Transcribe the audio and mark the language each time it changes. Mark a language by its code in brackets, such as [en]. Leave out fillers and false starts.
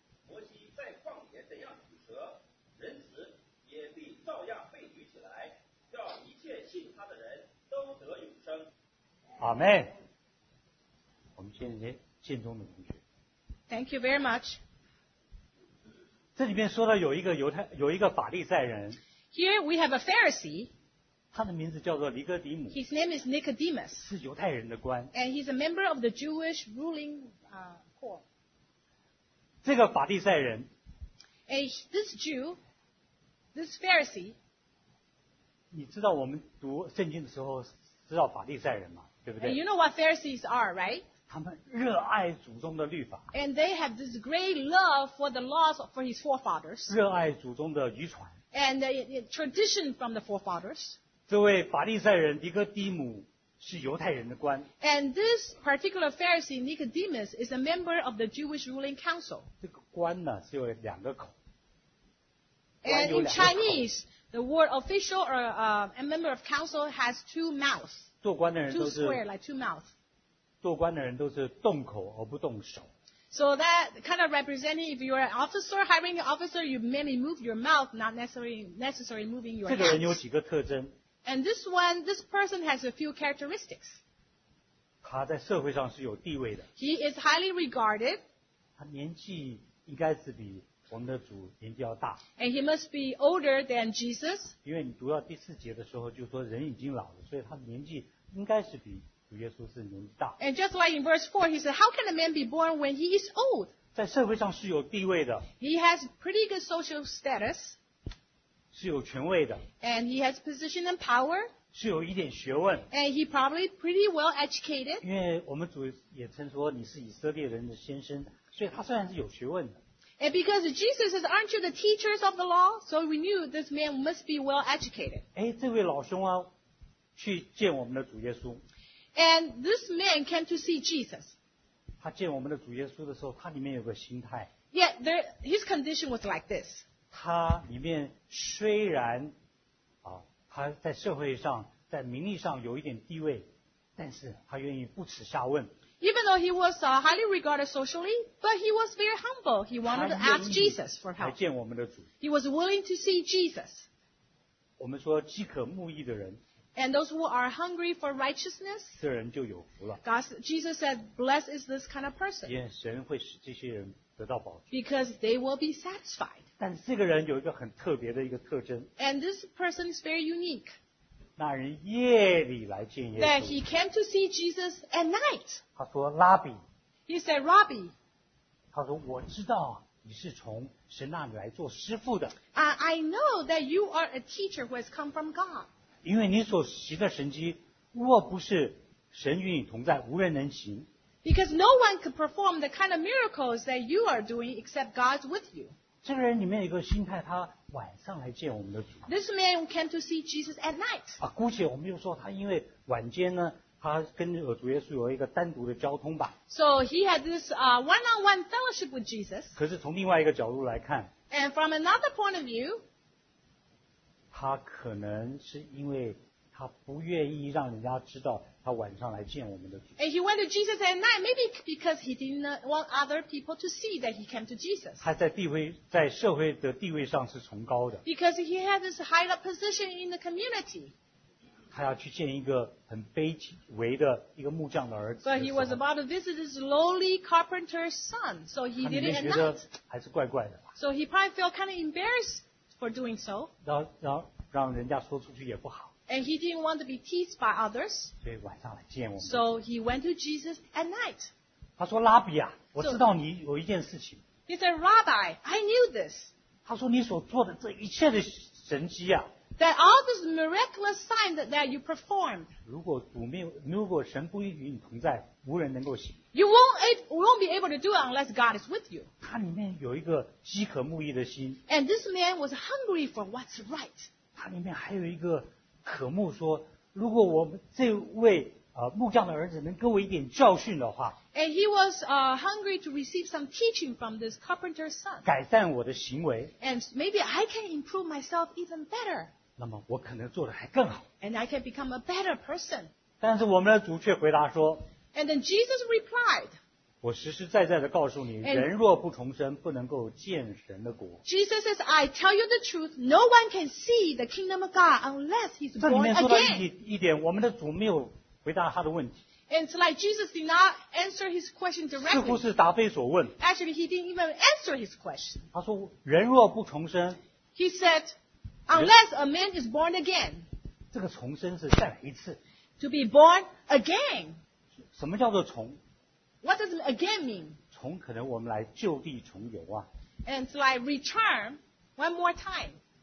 [zh] 摩西在旷野怎样举蛇，人子也必照样被举起来，叫一切信他的人都得永生。阿门。我们现在建中的同学 [en] ，Thank you very much。 [zh] 这里面说到有一个犹太，有一个法利赛人。 [en] Here we have a Pharisee。 [zh] 他的名字叫做尼哥底母。 [en] His name is Nicodemus。 [zh] 是犹太人的官。 [en] And he's a member of the Jewish ruling court。 [zh] 这个法利赛人。 [en] This Jew, this Pharisee。 [zh] 你知道我们读圣经的时候知道法利赛人吗？对不对 [en] ？And you know what Pharisees are, right？ [zh] 他们热爱祖宗的律法。 [en] And they have this great love for the laws for his forefathers. [zh] 热爱祖宗的遗传。 [en] And the tradition from the forefathers. [zh] 这位法利赛人尼哥底母是犹太人的官。 [en] And this particular Pharisee Nicodemus is a member of the Jewish ruling council. [zh] 这个官呢是有两个口。 [en] And in Chinese, the word official or a member of council has two mouths. [zh] 做官的人都是。 [en] Two square, like two mouths. [zh] 做官的人都是动口而不动手。 [en] So that kind of representing if you are an officer, hiring an officer, you mainly move your mouth, not necessarily moving your hands. [zh] 这个人有几个特征。 [en] And this person has a few characteristics. [zh] 他在社会上是有地位的。 [en] He is highly regarded. [zh] 他年纪应该是比我们的主年纪要大。 [en] And he must be older than Jesus. [zh] 因为你读到第四节的时候就说人已经老了，所以他年纪应该是比耶稣是年纪大。 [en] And just like in verse 4, he said, how can a man be born when he is old? [zh] 在社会上是有地位的。 [en] He has pretty good social status. [zh] 是有权位的。 [en] And he has position and power. [zh] 是有一点学问。 [en] And he probably pretty well educated. [zh] 因为我们主也称说你是以色列人的先生，所以他虽然是有学问的。 [en] And because Jesus says, aren't you the teachers of the law? So we knew this man must be well educated. [zh] 哎，这位老兄啊，去见我们的主耶稣。 [en] And this man came to see Jesus. [zh] 他见我们的主耶稣的时候，他里面有个心态。 [en] Yeah, his condition was like this. [zh] 他里面虽然他在社会上，在名利上有一点地位，但是他愿意不耻下问。 [en] Even though he was highly regarded socially, but he was very humble. He wanted to ask Jesus for help. [zh] 来见我们的主。 [en] He was willing to see Jesus. [zh] 我们说饥渴慕义的人。 [en] And those who are hungry for righteousness, [zh] 这人就有福了。 [en] Jesus said, blessed is this kind of person. [zh] 因为神会使这些人得到保全。 [en] Because they will be satisfied. [zh] 但是这个人有一个很特别的一个特征。 [en] And this person is very unique. [zh] 那人夜里来见耶稣。 [en] That he came to see Jesus at night. [zh] 他说拉比。 [en] He said, Robbie. [zh] 他说我知道你是从神那里来做师父的。 [en] I know that you are a teacher who has come from God. [zh] 因为你所行的神迹，若不是神与你同在，无人能行。 [en] Because no one could perform the kind of miracles that you are doing except God's with you. [zh] 这个人里面有个心态，他晚上来见我们的主。 [en] This man came to see Jesus at night. [zh] 啊，姑且我们就说他因为晚间呢。他跟主耶稣有一个单独的交通吧。 [en] So he had this one-on-one fellowship with Jesus. [zh] 可是从另外一个角度来看。 [en] And from another point of view. [zh] 他可能是因为他不愿意让人家知道他晚上来见我们的主。 [en] And he went to Jesus at night, maybe because he didn't want other people to see that he came to Jesus. [zh] 他在地位，在社会的地位上是崇高的。 [en] Because he had this high up position in the community. [zh] 他要去见一个很卑微的一个木匠的儿子的。 [en] But he was about to visit his lowly carpenter's son, so he did it at night. [zh] 还是怪怪的吧。 [en] So he probably felt kind of embarrassed for doing so. [zh] 让人家说出去也不好。 [en] And he didn't want to be teased by others. [zh] 所以晚上来见我们。 [en] So he went to Jesus at night. [zh] 他说拉比啊，我知道你有一件事情。 [en] He said, Rabbi, I knew this. [zh] 他说你所做的这一切的神迹啊。 [en] That all this miraculous sign that you performed, [zh] 如果神不与你同在，无人能够行。 [en] You won't be able to do it unless God is with you. [zh] 他里面有一个饥渴慕义的心。 [en] And this man was hungry for what's right. [zh] 他里面还有一个渴慕说，如果我们这位木匠的儿子能给我一点教训的话。 [en] And he was hungry to receive some teaching from this carpenter's son. [zh] 改善我的行为。 [en] And maybe I can improve myself even better. [zh] 那么我可能做得还更好。 [en] And I can become a better person. [zh] 但是我们的主却回答说。 [en] And then Jesus replied. [zh] 我实实在在地告诉你，人若不重生，不能够见神的国。 [en] Jesus says, I tell you the truth, no one can see the kingdom of God unless he's born again. [zh] 这里面说到一点，我们的主没有回答他的问题。 [en] And it's like Jesus did not answer his question directly. [zh] 似乎是答非所问。 [en] Actually, he didn't even answer his question. [zh] 他说，人若不重生。 [en] He said, unless a man is born again. [zh] 这个重生是再来一次。 [en] To be born again. [zh] 什么叫做重？ [en] What does again mean? [zh] 重可能我们来就地重游啊。 [en] And it's like return one more time.